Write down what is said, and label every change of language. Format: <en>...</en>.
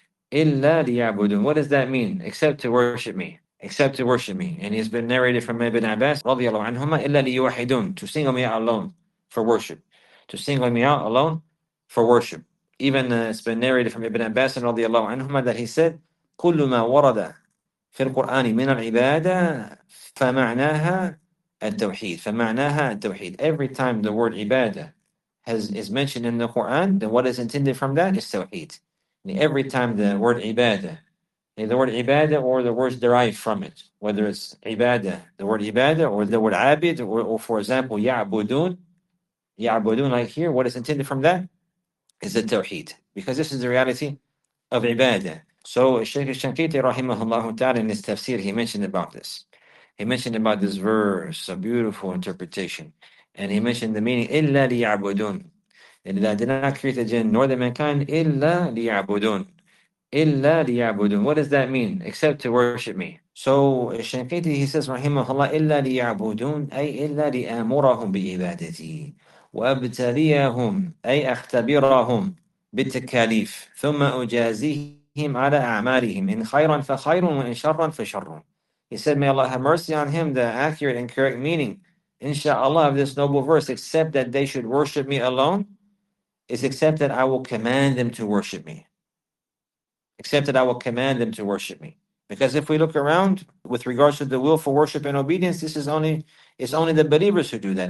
<ar>Illa liya'budun.</ar> <en>What does that mean? Except to worship me. Except to worship me. And it's been narrated from Ibn Abbas, radiallahu anhumma,</en> <ar>illa liyuwahidun.</ar> <en>To single me out alone for worship. To single me out alone for worship. Even it's been narrated from Ibn Abbas, radiallahu anhumma, that he said,</en> <ar>kullu ma warada. في القرآن من العبادة فمعناها التوحيد فمعناها التوحيد.</ar> <en>Every time the word ibadah is mentioned in the Quran, then what is intended from that is tawheed. Every time the word ibadah or the words derived from it, whether it's ibadah, the word ibadah or the word abid, or for example ya'budun, like here, what is intended from that is the tawheed, because this is the reality of ibadah. So Sheikh Shankiti rahimahullah ta'ala, in his tafsir, he mentioned about this. He mentioned about this verse, a beautiful interpretation. And he mentioned the meaning, illa liya'budun. Allah did not create the jinn nor the mankind, illa liya'budun. Illa liya'budun. What does that mean? Except to worship me. So Shankiti, he says,</en> <ar>rahimahullah, illa liya'budun, ay illa li'amurahum bi'ibadati. وابتليهم أي أختبرهم بالتكاليف ثم أجازيهم على أعمالهم إن خيرا فخير وإن شرا فشر.</ar> <en>He said, may Allah have mercy on him, the accurate and correct meaning, inshallah, of this noble verse, except that they should worship me alone, is except that I will command them to worship me. Except that I will command them to worship me. Because if we look around with regards to the will for worship and obedience, this is only, it's only the believers who do that.</en>